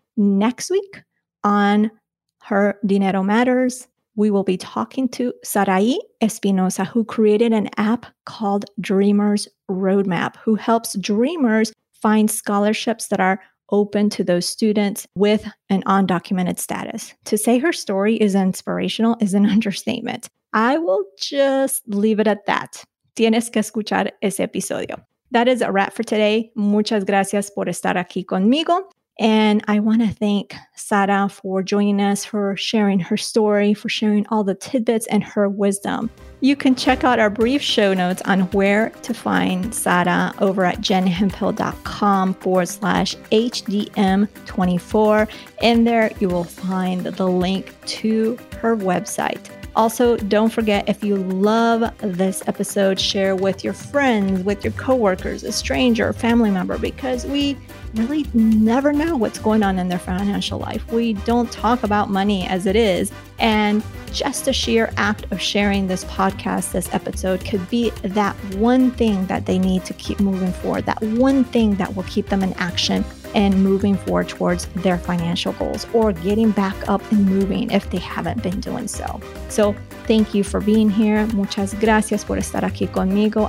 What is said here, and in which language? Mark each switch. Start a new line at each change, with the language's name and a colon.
English: Next week on Her Dinero Matters, we will be talking to Sarai Espinosa, who created an app called Dreamers Roadmap, who helps dreamers find scholarships that are open to those students with an undocumented status. To say her story is inspirational is an understatement. I will just leave it at that.
Spanish: Tienes que escuchar ese episodio.
English: That is a wrap for today.
Spanish: Muchas gracias por estar aquí conmigo.
English: And I want to thank Sara for joining us, for sharing her story, for sharing all the tidbits and her wisdom. You can check out our brief show notes on where to find Sara over at jenhempel.com/HDM24. In there, you will find the link to her website. Also, don't forget, if you love this episode, share with your friends, with your coworkers, a stranger, family member, because we really never know what's going on in their financial life. We don't talk about money as it is. And just a sheer act of sharing this podcast, this episode, could be that one thing that they need to keep moving forward, that one thing that will keep them in action and moving forward towards their financial goals or getting back up and moving if they haven't been doing so. So thank you for being here.
Spanish: Muchas gracias por estar aquí conmigo.